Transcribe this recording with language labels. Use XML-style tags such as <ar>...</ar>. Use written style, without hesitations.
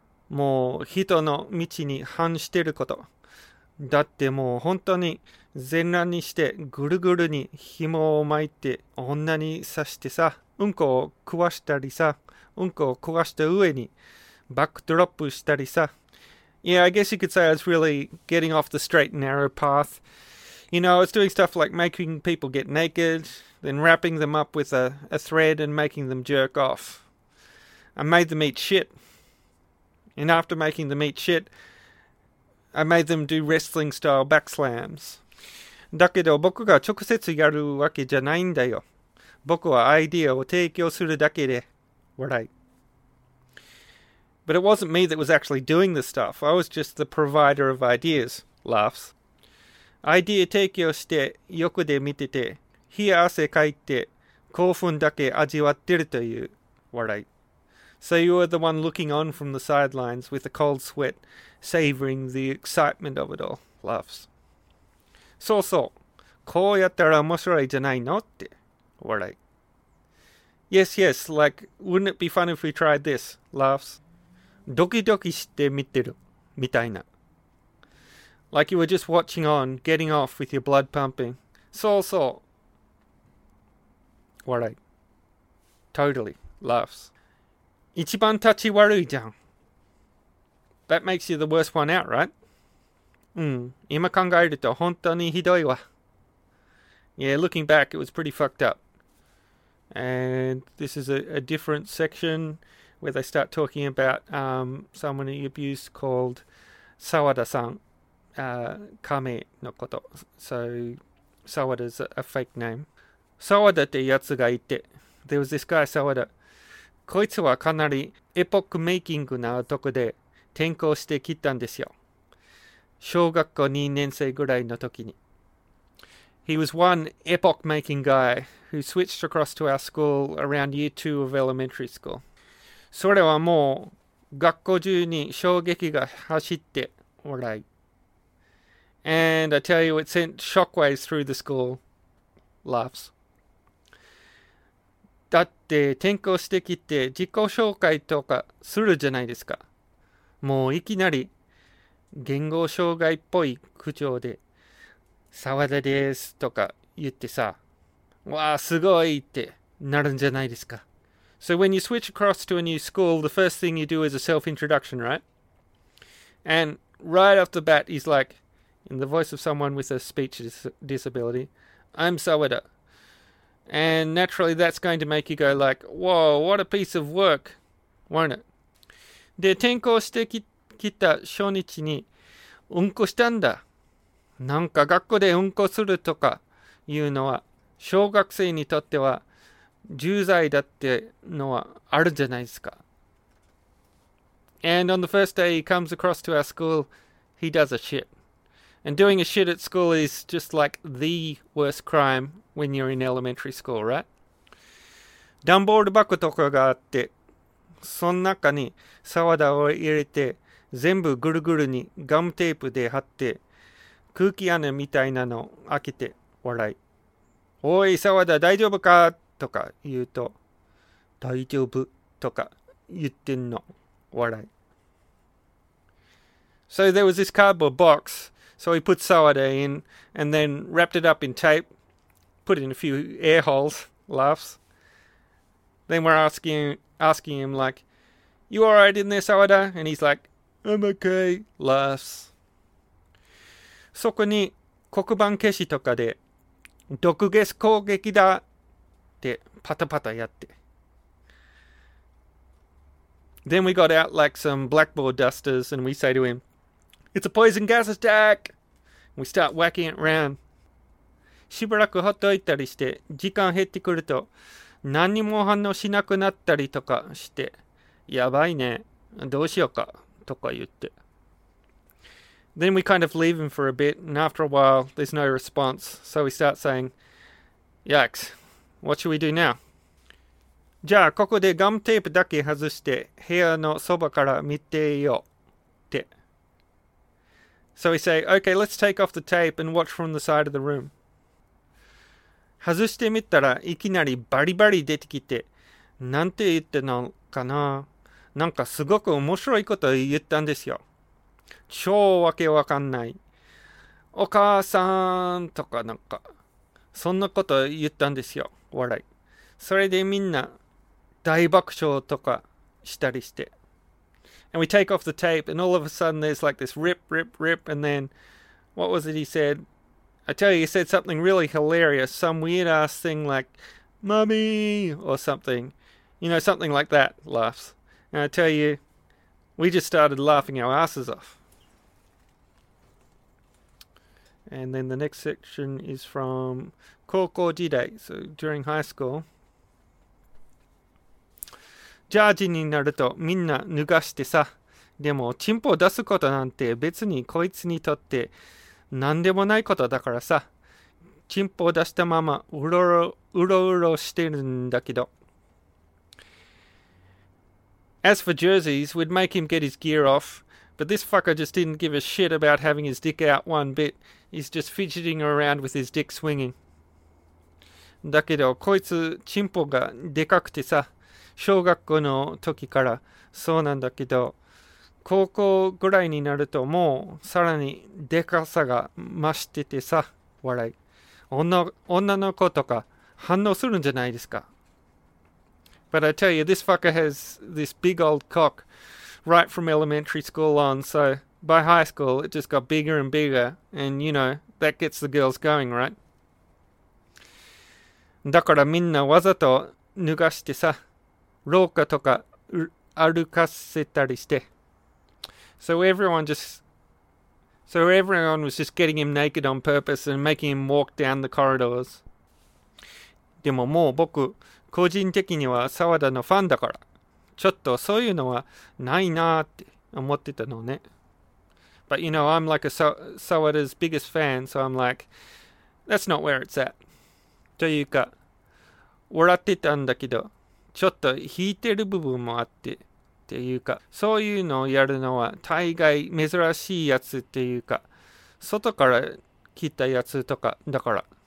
<ja>もう人の道に反してること。だってもう本当に全裸にしてぐるぐるに紐を巻いて女に刺してさ、うんこを食わしたりさ、うんこを食わした上にバックドロップしたりさ。</ja> <en>Yeah, I guess you could say I was really getting off the straight and narrow path. You know, I was doing stuff like making people get naked, then wrapping them up with a thread and making them jerk off. I made them eat shit. And after making them eat shit, I made them do wrestling-style backslams.</en> <ja>だけど僕が直接やるわけじゃないんだよ。僕はアイディアを提供するだけで。笑い。</ja> <en>But it wasn't me that was actually doing the stuff. I was just the provider of ideas. Laughs.</en> <ja>アイディア提供して横で見てて、冷や汗かいて興奮だけ味わってるという笑い。</ja> <en>So you were the one looking on from the sidelines with a cold sweat, savoring the excitement of it all. Laughs.</en> <ja>そうそう。こうやったら面白いじゃないのって笑い。</ja> <en>Yes, yes, like, wouldn't it be fun if we tried this? Laughs.</en> <ja>ドキドキして見てるみたいな。</ja> <en>Like you were just watching on, getting off with your blood pumping. So, so.</en> <ja>Warai.</ja> <en>Totally. Laughs.</en> <ja>一番立ち悪いじゃん。</ja> <en>That makes you the worst one out, right?</en> <ja>今考えると本当にひどいわ。</ja> <en>Yeah, looking back, it was pretty fucked up. And this is a different section where they start talking about someone he abused called Sawada-san.</en> <ja>Kame no koto.</ja> <en>So Sawada's a fake name.</en> <ja>沢田ってやつがいて、</ja> <en>There was this guy,</en> <ja>沢田。こいつはかなりエポックメイキングな男で転校してきたんですよ。小学校2年生ぐらいの時に。</ja> <en>He was one epoch-making guy who switched across to our school around year 2 of elementary school.</en> <ja>それはもう学校中に衝撃が走っておらい。</ja> <en>And I tell you, it sent shockwaves through the school. Laughs.</en> <ja>だって転校してきて自己紹介とかするじゃないですか。もういきなり言語障害っぽい口調で沢田ですとか言ってさ、わあすごいってなるんじゃないですか。</ja> <en>So when you switch across to a new school, the first thing you do is a self-introduction, right? And right off the bat, he's like, in the voice of someone with a speech disability, I'm Sawada. And naturally, that's going to make you go like, whoa, what a piece of work, won't it?</en> <ja>で、転校してきた初日にうんこしたんだ。なんか学校でうんこするとかいうのは、小学生にとっては重罪だってのはあるじゃないですか。</ja> <en>And on the first day he comes across to our school, he does a shit. And doing a shit at school is just like the worst crime when you're in elementary school, right?</en> <ja>ダンボール箱とかがあって、その中に沢田を入れて、全部ぐるぐるにガムテープで貼って、空気穴みたいなの開けて笑い。おい沢田大丈夫かとか言うと、大丈夫とか言ってんの笑い。</ja> <en>So there was this cardboard box, so he put Sawada in and then wrapped it up in tape, put in a few air holes, laughs. Then we're asking him like, you alright in there, Sawada? And he's like, I'm okay, laughs.</en> <ja>そこに黒板消しとかで毒ガス攻撃だってパタパタやって。</ja> <en>Then we got out like some blackboard dusters and we say to him,It's a poison gas attack! We start whacking it around.</en> <ja>しばらくほっといたりして、時間減ってくると、何にも反応しなくなったりとかして、やばいね、どうしようか、とか言って。</ja> <en>Then we kind of leave him for a bit, and after a while, there's no response. So we start saying, Yikes, what should we do now?</en> <ja>じゃあ、ここでガムテープだけ外して、部屋のそばから見てよ。</ja> <en>So we say, okay, let's take off the tape and watch from the side of the room.</en> <ja>外してみたらいきなりバリバリ出てきて、なんて言ってのかな。なんかすごく面白いことを言ったんですよ。超わけわかんない。お母さんとかなんか、そんなことを言ったんですよ。笑い。それでみんな大爆笑とかしたりして。</ja> <en>And we take off the tape, and all of a sudden there's like this rip, rip, rip, and then, what was it he said? I tell you, he said something really hilarious, some weird-ass thing like, Mommy, or something. You know, something like that, laughs. And I tell you, we just started laughing our asses off. And then the next section is from 高校時代, so during high school.</en> <ja>ジャージになるとみんな脱がしてさ。でも、チンポを出すことなんて別にこいつにとって何でもないことだからさ。チンポを出したままうろうろしてるんだけど。</ja> <en>As for jerseys, we'd make him get his gear off, but this fucker just didn't give a shit about having his dick out one bit. He's just fidgeting around with his dick swinging.</en> <ja>だけど、こいつチンポがでかくてさ。小学校の時からそうなんだけど、高校ぐらいになるともうさらにでかさが増しててさ、笑い。女の子とか反応するんじゃないですか。</ja> <en>But I tell you, this fucker has this big old cock right from elementary school on, so by high school it just got bigger and bigger, and you know, that gets the girls going, right?</en> <ja>だからみんなわざと脱がしてさ、廊下とか歩かせたりして。</ja> <en>So everyone was just getting him naked on purpose and making him walk down the corridors.</en> <ja>でももう僕個人的には澤田のファンだから、ちょっとそういうのはないなって思ってたのね。</ja> <en>But you know, I'm like a Sawada's biggest fan, so I'm like, that's not where it's at.</en> <ja>というか、笑ってたんだけど、ちょっと引いてる部分もあって、というか、そういうのをやるのは大概珍しいやつっていうか、外から来たやつとかだから。</ja>